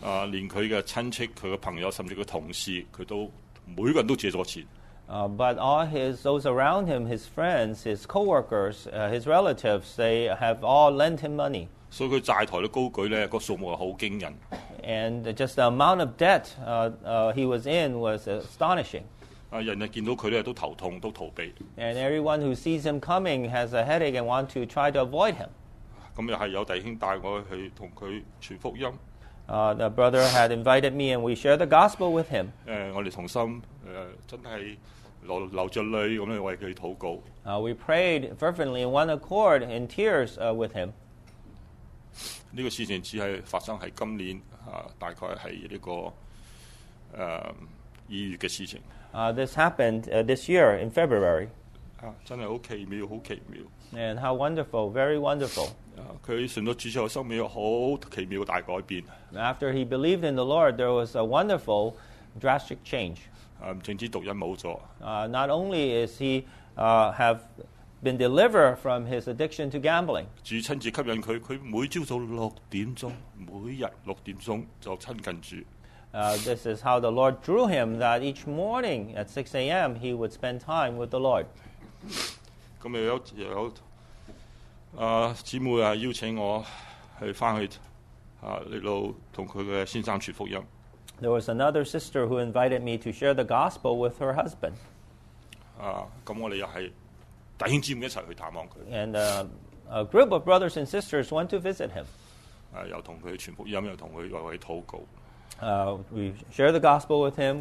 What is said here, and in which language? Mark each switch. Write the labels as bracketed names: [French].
[Cantonese] 連佢嘅親戚、佢嘅朋友，甚至佢同事，佢都每個人都借咗錢。 [English] But all those around him, his friends, his coworkers, his relatives, they have all lent him money. [Cantonese] 所以佢債台都高舉咧，個數目係好驚人。 [English] And just the amount of debt he was in was astonishing. [Cantonese] 人見到佢咧都頭痛，都逃避。 [English] And everyone who sees him coming has a headache and want to try to avoid him. [Cantonese] 咁又係有弟兄帶我去同佢傳福音。 [English] The brother had invited me and we shared the gospel with him. [Cantonese] 我哋同心真係流著淚咁樣為佢禱告。 [English] We prayed fervently in one accord in tears with him. [Cantonese] 呢個事情只係發生喺今年大概係呢個二月嘅事情。 [English] This happened this year in February. [Cantonese] 真係好奇妙，好奇妙。 [English] And how wonderful, very wonderful. [Cantonese] 佢信咗主之後，生命有好奇妙大改變。 [English] After he believed in the Lord, there was a wonderful, drastic change. [Cantonese] 唔僅止毒癮冇咗。 [English] Not only is he have been delivered from his addiction to gambling. [Cantonese] 主親自吸引佢，佢每朝早六點鐘，每日六點鐘就親近主。 [English] This is how the Lord drew him, that each morning at 6 a.m. he would spend time with the Lord. [Cantonese] 咁又有姊妹邀請我去翻去嚟到同佢嘅先生傳福音。 [English] There was another sister who invited me to share the gospel with her husband. And a group of brothers and sisters went to visit him. We shared the gospel with him.